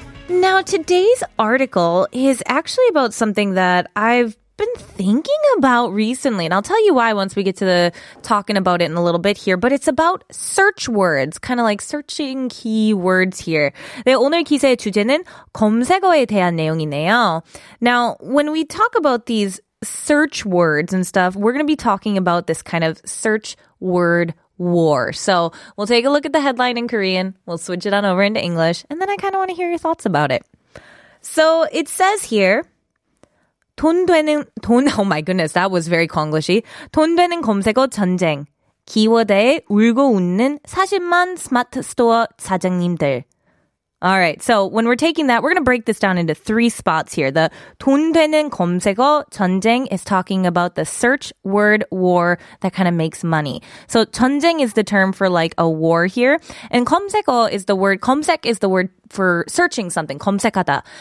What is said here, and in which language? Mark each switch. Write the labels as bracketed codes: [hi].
[en] Now, today's article is actually about something that I've been thinking about recently, and I'll tell you why once we get to the talking about it in a little bit here, but it's about search words, kind of like searching keywords here. [ko] 네, 오늘 기사의 주제는 검색어에 대한 내용이네요. [en] Now, when we talk about these search words and stuff, we're going to be talking about this kind of search word war. So we'll take a look at the headline in Korean, we'll switch it on over into English, and then I kind of want to hear your thoughts about it. So it says here, [ko] 돈 되는, [en] 돈, oh my goodness, that was very Konglish-y. [ko] 돈 되는 검색어 전쟁. 키워드에 울고 웃는 40만 스마트 스토어 사장님들. [en] Alright, so when we're taking that, we're going to break this down into three spots here. The [ko] 돈 되는 검색어 전쟁 [en] is talking about the search word war that kind of makes money. So 전쟁 is the term for like a war here. And 검색어 is the word, 검색 is the word for searching something, 검색하다.